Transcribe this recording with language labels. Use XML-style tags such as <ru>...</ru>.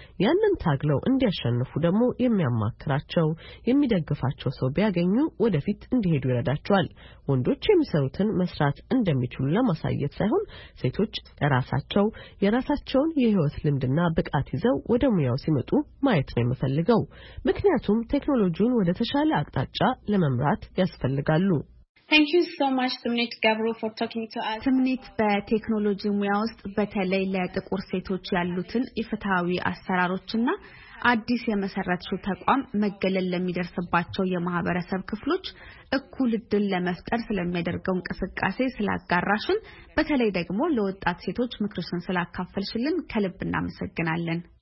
<am>ያንን ታግለው እንዲያሸንፉ ደግሞ የሚያማክራቸው የሚደግፋቸው ሰው ቢያገኙ ወደፊት እንዲሄዱ ይረዳቸዋል። ወንዶች የሚሰሩትን መስራት እንደሚችሉ ለማሳየት ሳይሆን ሴቶች ራሳቸው የራሳቸውን የህይወት ልምድና ብቃት ይዘው ወደ ሙያው ሲመጡ ማየት ነው የምፈልገው። ምክንያቱም ቴክኖሎጂውን ወደ ተሻለ አቅጣጫ ለመምራት ያስፈልጋሉ።</am> <en>Thank you so much Tumnit Gabro for talking to us.</en> <am>Tumnit በቴክኖሎጂ ሙያ ውስጥ በተለይ ለጥቁር ሴቶች ያሉትን ኢፍትሃዊ አሰራሮችና አዲስ የመሰረተ ተቋም መገለል ለሚደርስባቸው የማህበረሰብ ክፍሎች እኩል ድል ለመፍጠር ስለሚያደርገው እንቅስቃሴ ስላጋራሽን፣ በተለይ ደግሞ ለወጣት ሴቶች ምክርሽን ስላካፈልሽልን ከልብ እናመሰግናለን።</am>